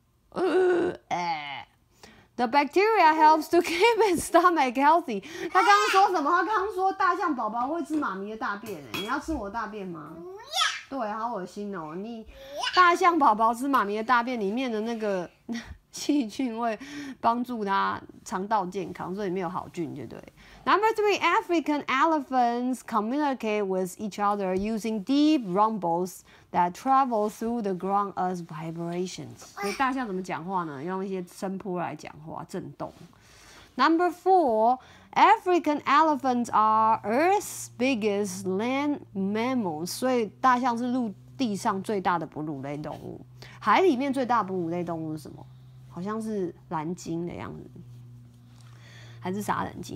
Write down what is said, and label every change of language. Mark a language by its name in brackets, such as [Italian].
[English] The bacteria helps to keep its stomach healthy. [Chinese] 他刚刚说什么？他刚刚说大象宝宝会吃妈咪的大便哎，你要吃我的大便吗？对，好恶心哦！你大象宝宝吃妈咪的大便里面的那个细菌会帮助他肠道健康，所以没有好菌，对不对？ [English] Number three, African elephants communicate with each other using deep rumbles that travel through the ground as vibrations. [Chinese] 所以大象怎么讲话呢？用一些声波来讲话，震动。 [English] Number four, African elephants are Earth's biggest land mammals. [Chinese] 所以大象是陆地上最大的哺乳类动物。海里面最大哺乳类动物是什么？好像是蓝鲸的样子，还是啥蓝鲸？